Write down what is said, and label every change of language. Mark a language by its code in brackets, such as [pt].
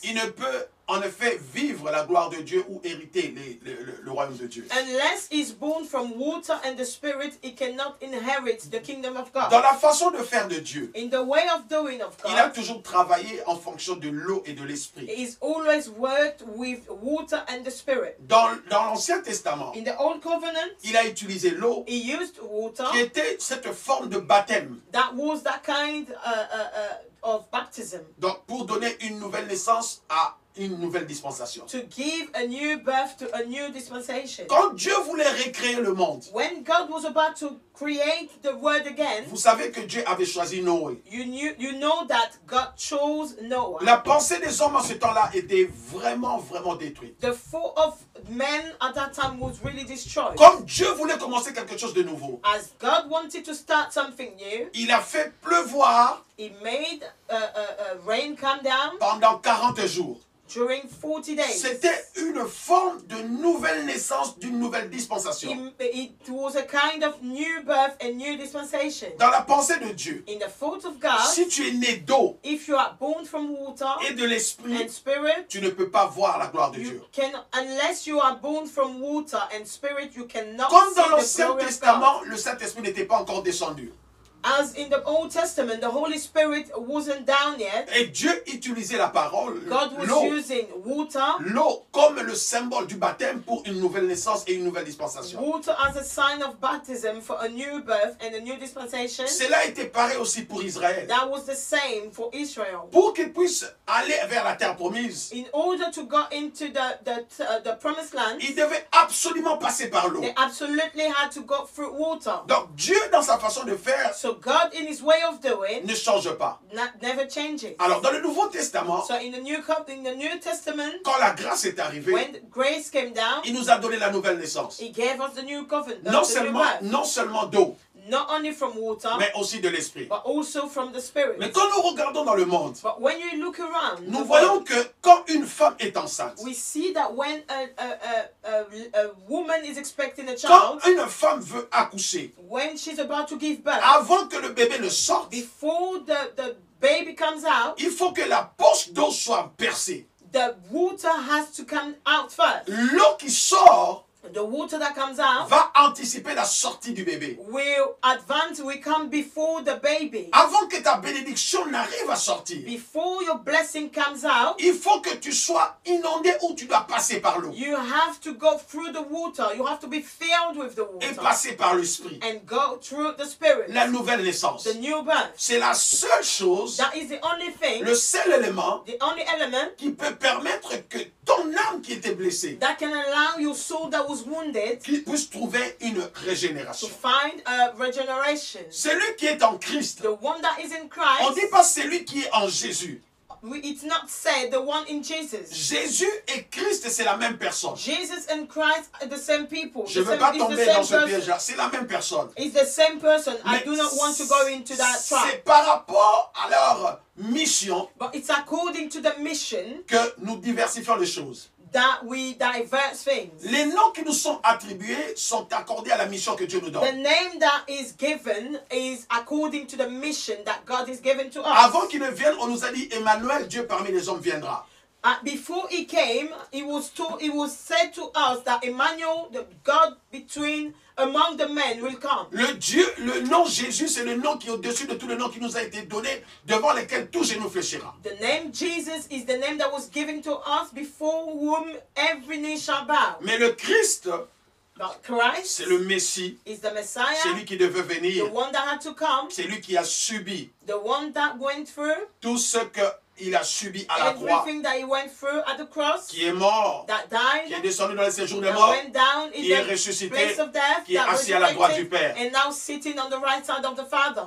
[fr] Il ne peut en effet vivre la gloire de Dieu ou hériter le royaume de Dieu. [en] Unless he's born from water and the spirit, he cannot inherit the kingdom of God. [fr] Dans la façon de faire de Dieu. [en] In the way of doing of God. [fr] Il a toujours travaillé en fonction de l'eau et de l'esprit. [en] He's always worked with water and the spirit. [fr] Dans l'Ancien Testament. [en] In the Old Covenant. [fr] Il a utilisé l'eau. [en] He used water. [fr] Qui était cette forme de baptême. [en] That was that kind of baptism. [fr] Donc pour donner une nouvelle naissance à une nouvelle dispensation. [en] To give a new birth to a new dispensation. [fr] Quand Dieu voulait recréer le monde. [en] When God was about to create the world again. [fr] Vous savez que Dieu avait choisi Noé. [en] You know that God chose Noah. [fr] La pensée des hommes à ce temps-là était vraiment vraiment détruite. [en] The thought of men at that time was really destroyed. [fr] Comme Dieu voulait commencer quelque chose de nouveau. [en] As God wanted to start something new. [fr] Il a fait pleuvoir. [en] He made a rain come down. [fr] Pendant 40 jours. [en] During 40 days. [fr] C'était une forme de nouvelle naissance d'une nouvelle dispensation. [en] It was a kind of new birth and new dispensation. [fr] Dans la pensée de Dieu. [en] In the thought of God. [fr] Si tu es né d'eau. [en] If you are born from water. [fr] Et de l'esprit. [en] And spirit. [fr] Tu ne peux pas voir la gloire de Dieu. [en] Unless you are born from water and spirit, you cannot. [fr] Comme dans [en] see the [fr] l'Ancien Testament, le Saint-Esprit n'était pas encore descendu. [en] As in the Old Testament, the Holy Spirit wasn't down yet. [fr] Et Dieu utilisait la parole, [en] God was [fr] l'eau, [en] using water, [fr] l'eau comme le symbole du baptême pour une nouvelle naissance et une nouvelle dispensation. [en] Water as a sign of baptism for a new birth and a new dispensation. [fr] Cela était pareil aussi pour Israël. [en] That was the same for Israel. [fr] Pour qu'ils puissent aller vers la terre promise. [en] In order to go into the promised land. [fr] Ils devaient absolument passer par l'eau. [en] They absolutely had to go through water. [fr] Donc Dieu dans sa façon de faire. [en] So God in his way of doing [fr] ne change pas. [en] Never changes. [fr] Alors dans le Nouveau Testament, [en] so in the New Testament, [fr] quand la grâce est arrivée, [en] when grace came down, [fr] il nous a donné la nouvelle naissance. [en] He gave us the new covenant. [fr] Non seulement d'eau. [en] Not only from water, [fr] mais aussi de l'esprit. [en] But also from the spirit. [fr] Mais quand nous regardons dans le monde, [en] but when you look around, [fr] nous voyons que quand une femme est enceinte, [en] we see that when a woman is expecting a child, [fr] quand une femme veut accoucher, [en] when she's about to give birth, [fr] avant que le bébé ne sorte, [en] before the baby comes out, [fr] il faut que la poche d'eau soit percée. [en] The water has to come out first. [fr] L'eau qui sort. [en] The water that comes out [fr] va anticiper la sortie du bébé. [en] Will advance, will come before the baby. [fr] Avant que ta bénédiction n'arrive à sortir. [en] Before your blessing comes out, [fr] il faut que tu sois inondé ou tu dois passer par l'eau. [en] You have to go through the water. You have to be filled with the water. [fr] Et passer par l'esprit. [en] And go through the spirit. [fr] La nouvelle naissance. [en] The new birth. [fr] C'est la seule chose. [en] That is the only thing. [fr] Le seul élément. [en] The only element [fr] qui peut permettre que ton âme qui était blessée. [en] That can allow your soul that was wounded. [fr] Qui puisse trouver une régénération. [en] To find a regeneration. [fr] Celui qui est en Christ. [en] The one that is in Christ. [fr] On dit pas celui qui est en Jésus. [en] It's not said the one in Jesus. [fr] Jésus et Christ, c'est la même personne. [en] Jesus and Christ are the same people. [fr] Je ne veux pas tomber dans ce piège-là. C'est la même personne. [en] It's the same person. Mais I do not want to go into that trap. [fr] C'est par rapport à leur mission. [en] But it's according to the mission. [fr] Que nous diversifions les choses. [en] That we diverse things. [fr] Les noms qui nous sont attribués sont accordés à la mission que Dieu nous donne. [en] The name that is given is according to the mission that God has given to us. [fr] Avant qu'il ne vienne, on nous a dit Emmanuel, Dieu parmi les hommes viendra. [en] Before he came, it was said to us that Emmanuel, the God between among the men, will come. [fr] Le Dieu, le nom Jésus, c'est le nom qui est au-dessus de tous les noms qui nous a été donné, devant lesquels tout genou fléchira. [en] The name Jesus is the name that was given to us before whom every knee shall bow. [fr] Mais le Christ. [en] But Christ, [fr] c'est le Messie, [en] is the Messiah, [fr] c'est lui qui devait venir, [en] the one that had to come, [fr] c'est lui qui a subi, [en] the one that went through, [fr] tout ce que il a subi à la [en] everything [fr] croix, [en] that he went through at the cross, [fr] qui est mort, [en] that died, [fr] qui est descendu dans les séjours des morts, [en] went down in [fr] qui [en] the [fr] est ressuscité, [en] place of death, [fr] qui est assis à la droite du Père, [en] and now sitting on the right side of the Father.